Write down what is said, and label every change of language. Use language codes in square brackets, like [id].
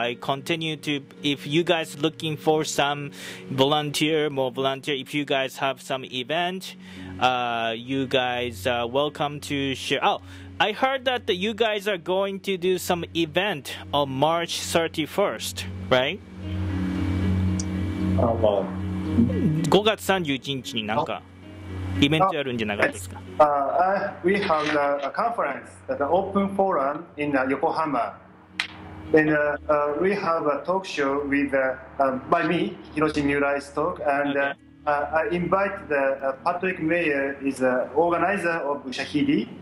[en] I continue to, if you guys looking for some more volunteer, if you guys have some event, you guys welcome to share. Oh, I heard that you guys are going to do some event on March 31st, right? About [ja] 5月 31日になんかイベントやるんじゃなかったですか？ [en] We have a conference, the open forum in Yokohama. And we have a talk show with by me, Hiroshi Miura's talk, and I invite the Patrick Mayer is the organizer of Ushahidi.